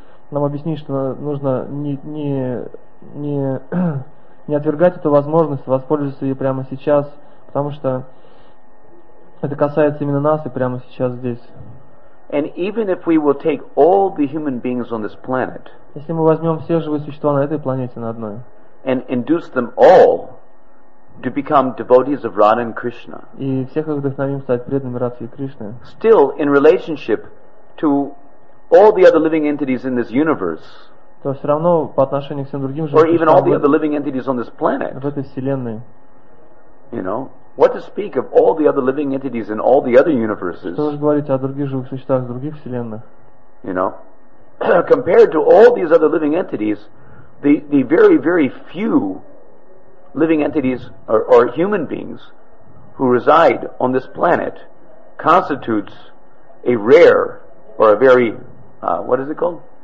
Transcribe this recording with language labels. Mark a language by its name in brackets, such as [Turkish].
[Russian] нам объяснить, что нужно не отвергать эту возможность, воспользоваться ей прямо сейчас, потому что это касается именно нас и прямо сейчас здесь. Если мы возьмем все живые существа на этой планете на одной, [English] and induce them all to become devotees of Radha and Krishna. [Russian] И всех их вдохновим стать преданными Радхе и Кришне. [English] Still in relationship to all the other living entities in this universe. [Russian] То все равно по отношению к всем другим живым существам. [English] Or even all the other living entities on this planet. [Russian] В этой вселенной. [English] You know, what to speak of all the other living entities in all the other universes? [Russian] Что же говорить о других живых существах в других вселенных? [English] You know, compared to all these other living entities, the very very few living entities or human beings who reside on this planet constitutes a rare or a very what is it called